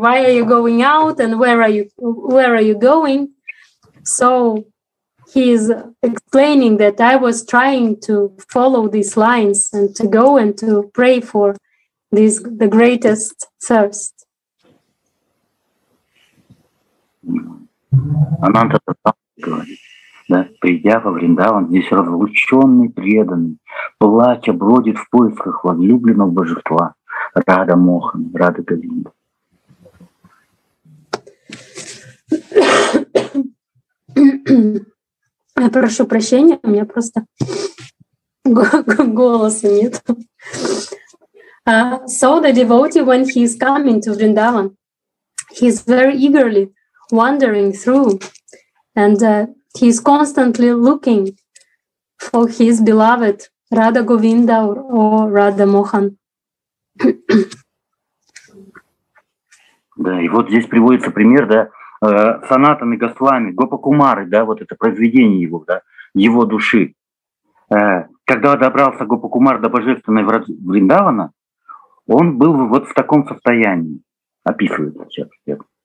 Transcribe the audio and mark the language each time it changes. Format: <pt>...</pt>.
<en>Why are you going out and where are you going? So he is explaining that I was trying to follow these lines and to go and to pray for this the greatest thirst.</en> <ru>Ананта Татам говорит, да, придя во Вриндаван, здесь разлученный, преданный, плача, бродит в поисках возлюбленного божества, Рада Мохан, Рада Говинда. Я прошу прощения, у меня просто голоса нет.</ru> <en>So the devotee, when he is coming to Vrindavan, he is very eagerly wandering through, and he is constantly looking for his beloved Radha Govinda or Radha Mohan.</en> <ru>Да, и вот здесь приводится пример, да, Санатаны Госвами, Гопа Кумары, да, вот это произведение его, да, его души. Когда добрался Гопа Кумар до божественной Вриндавана, он был вот в таком состоянии, описывается сейчас.</ru>